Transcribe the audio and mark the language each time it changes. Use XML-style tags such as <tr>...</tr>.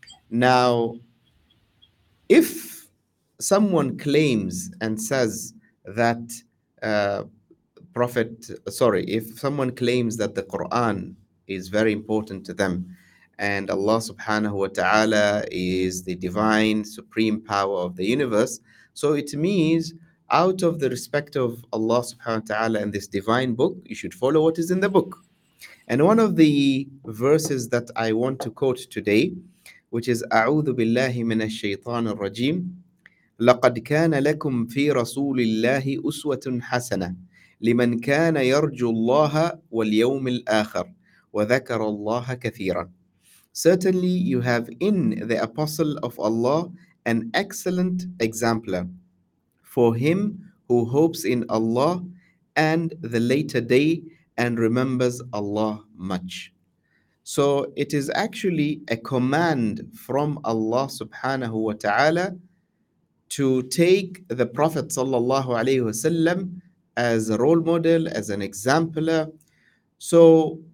<en>Now, if someone claims and says that the Quran is very important to them and Allah subhanahu wa ta'ala is the divine supreme power of the universe, so it means out of the respect of Allah subhanahu wa ta'ala and this divine book, you should follow what is in the book. And one of the verses that I want to quote today, which is</en> <ar>a'udhu billahi minash shaitanir rajim, لقد كان لكم في رسول الله أسوة حسنة لمن كان يرجو الله واليوم الآخر وذكر الله كثيرا.</ar> <en>Certainly you have in the apostle of Allah an excellent exemplar for him who hopes in Allah and the later day and remembers Allah much. So it is actually a command from Allah subhanahu wa ta'ala to take the Prophet sallallahu alaihi wasallam as a role model, as an exemplar. So</en>